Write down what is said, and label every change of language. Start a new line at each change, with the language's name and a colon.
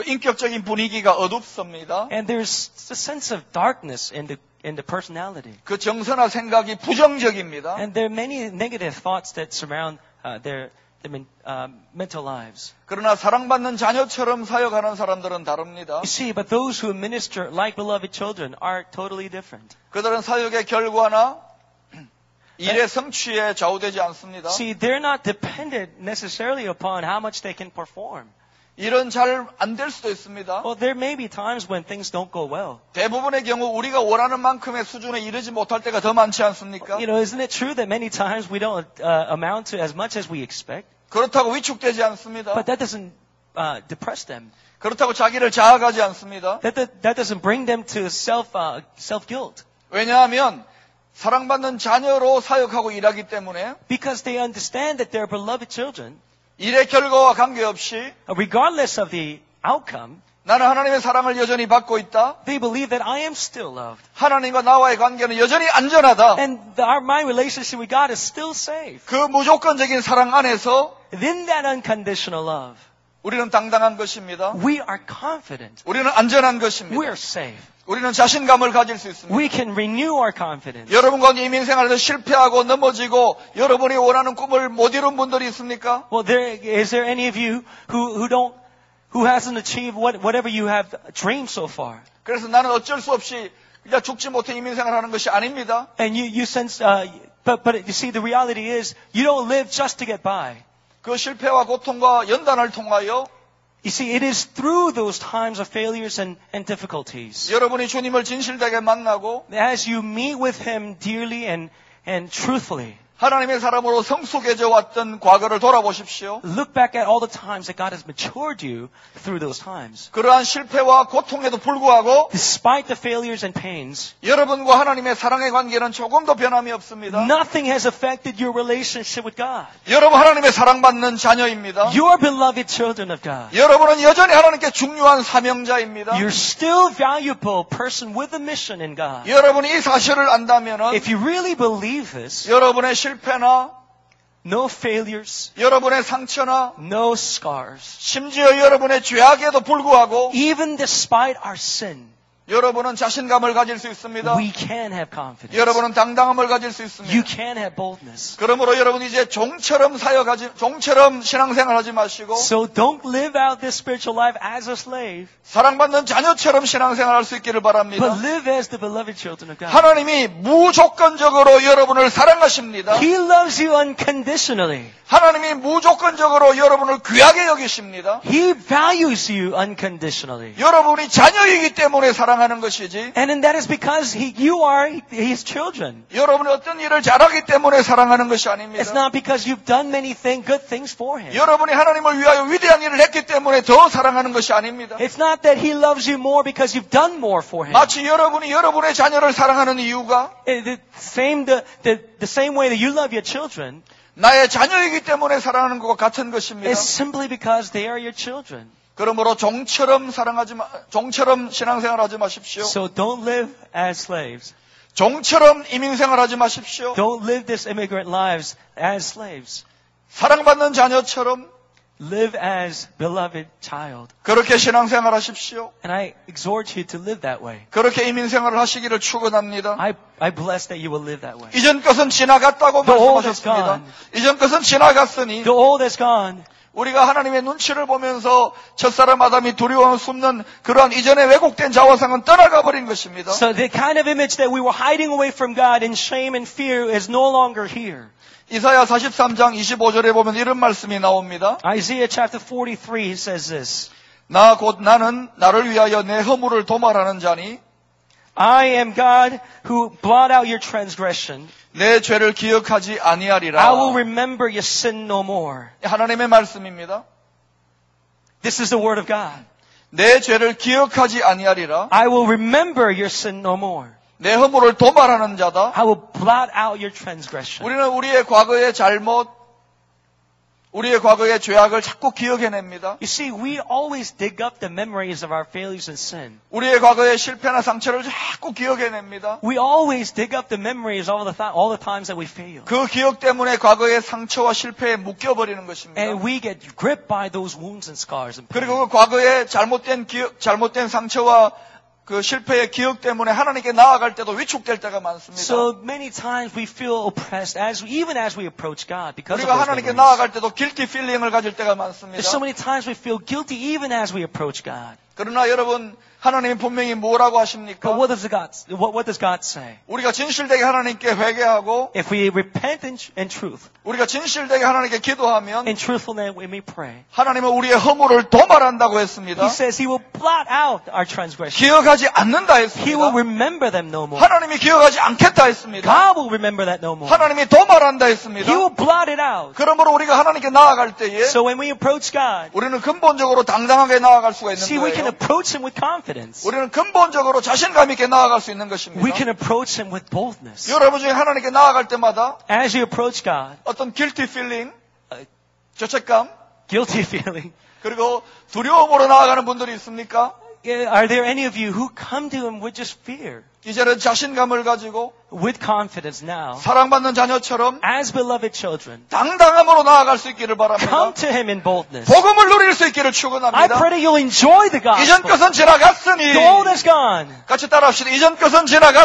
Korean: 그 인격적인 분위기가 어둡습니다.
English: And there's a sense of darkness in the personality.
Korean: 그 정서나 생각이 부정적입니다.
English: And there are many negative thoughts that surround their mental lives.
Korean: 그러나 사랑받는 자녀처럼 사역하는 사람들은 다릅니다.
English: You see, but those who minister like beloved children are totally different.
Korean: 그들은 사역의 결과나 일의 성취에 좌우되지 않습니다.
English: See, they're not dependent necessarily upon how much they can perform.
Korean: 이런 잘 안 될 수도 있습니다.
English: Well, there may be times when things don't go well.
Korean: 대부분의 경우 우리가 원하는 만큼의 수준에 이르지 못할 때가 더 많지 않습니까?
English: You know, isn't it true that many times we don't amount to as much as we expect?
Korean: 그렇다고 위축되지 않습니다.
English: But that doesn't depress them.
Korean: 그렇다고 자기를 자학하지 않습니다.
English: That doesn't bring them to self-guilt.
Korean: 왜냐하면 사랑받는 자녀로 사역하고 일하기 때문에
English: Because they understand that they're beloved children.
Korean: 일의 결과와 관계없이
English: Regardless of the outcome,
Korean: 나는 하나님의 사랑을 여전히 받고 있다.
English: They believe that I am still loved.
Korean: 하나님과 나와의 관계는 여전히 안전하다.
English: And my relationship with God is still safe.
Korean: 그 무조건적인 사랑 안에서
English: In that unconditional love,
Korean: 우리는 당당한 것입니다.
English: We are confident.
Korean: 우리는 안전한 것입니다.
English: We are safe.
Korean: 우리는 자신감을 가질 수 있습니다.
English: We can renew our confidence.
Korean: 여러분과 이민 생활에서 실패하고 넘어지고 여러분이 원하는 꿈을 못 이룬 분들이 있습니까?
English: Well, is there any of you who hasn't achieved whatever you have dreamed so far?
Korean: 그래서 나는 어쩔 수 없이 그냥 죽지 못해 이민 생활하는 것이 아닙니다.
English: And you sense, but you see, the reality is you don't live just to get by.
Korean: 그 실패와 고통과 연단을 통하여.
English: You see, it is through those times of failures and difficulties.
Korean: 여러분이 주님을 진실되게 만나고,
English: as you meet with Him dearly and truthfully,
Korean: 하나님의 사람으로 성숙해져 왔던 과거를 돌아보십시오.
English: Look back at all the times that God has matured you through those times.
Korean: 그러한 실패와 고통에도 불구하고,
English: despite the failures and pains,
Korean: 여러분과 하나님의 사랑의 관계는 조금도 변함이 없습니다.
English: Nothing has affected your relationship with God.
Korean: 여러분 하나님의 사랑받는 자녀입니다.
English: You are beloved children of God.
Korean: 여러분은 여전히 하나님께 중요한 사명자입니다.
English: You're still valuable person with a mission in God.
Korean: 여러분이 이 사실을 안다면은,
English: if you really believe this,
Korean: 여러분의 실패나
English: no failures
Korean: 여러분의 상처나
English: no scars
Korean: 심지어 여러분의 죄악에도 불구하고
English: even despite our sin
Korean: 여러분은 자신감을 가질 수 있습니다.
English: We can have confidence.
Korean: 여러분은 당당함을 가질 수 있습니다.
English: You can have boldness.
Korean: 그러므로 여러분 이제 종처럼 신앙생활하지 마시고
English: So don't live out this spiritual life as a slave.
Korean: 사랑받는 자녀처럼 신앙생활할 수 있기를 바랍니다.
English: But live as the beloved children of God.
Korean: 하나님이 무조건적으로 여러분을 사랑하십니다.
English: He loves you unconditionally.
Korean: 하나님이 무조건적으로 여러분을 귀하게 여기십니다.
English: He values you unconditionally.
Korean: 여러분이 자녀이기 때문에 사랑하는 것이지.
English: And that is because you are his children.
Korean: 여러분이 어떤 일을 잘하기 때문에 사랑하는 것이 아닙니다.
English: It's not because you've done many good things for him.
Korean: 여러분이 하나님을 위하여 위대한 일을 했기 때문에 더 사랑하는 것이 아닙니다.
English: It's not that he loves you more because you've done more for him.
Korean: 마치 여러분이 여러분의 자녀를 사랑하는 이유가
English: the same way that you love your children.
Korean: 나의 자녀이기 때문에 사랑하는 것과 같은 것입니다.
English: It's simply because they are your children.
Korean: 그러므로 종처럼 신앙생활하지 마십시오.
English: So don't live as slaves.
Korean: 종처럼 이민생활하지 마십시오.
English: Don't live this immigrant lives as slaves.
Korean: 사랑받는 자녀처럼
English: live as beloved child.
Korean: 그렇게 신앙생활하십시오.
English: And I exhort you to live that way.
Korean: 그렇게 이민생활을 하시기를 축원합니다.
English: I bless that you will live that way.
Korean: 이전 것은 지나갔다고 말씀하셨습니다. 이전 것은 지나갔으니.
English: The old is gone.
Korean: 우리가 하나님의 눈치를 보면서 첫사람 아담이 두려워하고 숨는 그러한 이전의 왜곡된 자화상은 떠나가 버린 것입니다.
English: So the kind of image that we were hiding away from God in shame and fear is no longer here.
Korean: 이사야 43장 25절에 보면 이런 말씀이 나옵니다.
English: Isaiah chapter 43 says this.
Korean: 나 곧 나는 나를 위하여 내 허물을 도말하는 자니
English: I am God who blot out your transgression.
Korean: 내 죄를 기억하지 아니하리라.
English: I will remember your sin no more.
Korean: 하나님의 말씀입니다.
English: This is the word of God.
Korean: 내 죄를 기억하지 아니하리라.
English: I will remember your sin no more.
Korean: 내 허물을 도말하는 자다.
English: I will blot out your transgression.
Korean: 우리는 우리의 과거의 잘못, 우리의 과거의 죄악을 자꾸 기억해냅니다.
English: You see, we always dig up the memories of our failures and sin.
Korean: 우리의 과거의 실패나 상처를 자꾸 기억해냅니다.
English: We always dig up the memories of all the times that we fail.
Korean: 그 기억 때문에 과거의 상처와 실패에 묶여버리는 것입니다.
English: And we get gripped by those wounds and scars and pain.
Korean: 그리고 그 과거의 잘못된 상처와 그 실패의 기억 때문에 하나님께 나아갈 때도 위축될 때가 많습니다.
English: So many times we feel oppressed even as we approach God because
Korean: 우리가 하나님께 나아갈 때도
English: guilty feeling
Korean: 을 가질 때가 많습니다.
English: So many times we feel guilty even as we approach God.
Korean: 그러나 여러분 하나님이 분명히 뭐라고 하십니까?
English: But what does God say?
Korean: 우리가 진실되게 하나님께 회개하고
English: If we repent in truth.
Korean: 우리가 진실되게 하나님께 기도하면
English: In truthfulness when we pray.
Korean: 하나님은 우리의 허물을 도말한다고 했습니다.
English: He says he will blot out our transgressions.
Korean: 기억하지 않는다 했습니다.
English: He will remember them no more.
Korean: 하나님이 기억하지 않겠다 했습니다.
English: God will remember that no more.
Korean: 하나님이 도말한다 했습니다.
English: He will blot it out.
Korean: 그러므로 우리가 하나님께 나아갈 때에
English: So when we approach God.
Korean: 우리는 근본적으로 당당하게 나아갈 수가 있는
English: See,
Korean: 거예요.
English: We can approach him with confidence.
Korean: 우리는 근본적으로 자신감 있게 나아갈 수 있는 것입니다.
English: We can approach him with boldness.
Korean: 여러분 중에 하나님께 나아갈 때마다
English: As you approach God,
Korean: 어떤
English: guilty feeling,
Korean: 죄책감,
English: guilty feeling.
Korean: 그리고 두려움으로 나아가는 분들이 있습니까?
English: Are there any of you who come to him with just fear?
Korean: 이제는 자신감을 가지고
English: with confidence now,
Korean: 사랑받는 자녀처럼
English: as beloved children,
Korean: 당당함으로 나아갈 수 있기를 바랍니다.
English: Come to him in boldness.
Korean: 복음을 누릴 수 있기를 축원합니다.
English: I pray that you'll enjoy the gospel.
Korean: 이전 것은 지나갔으니
English: The old is gone.
Korean: 같이 따라합시다. 이전 것은 지나갔으니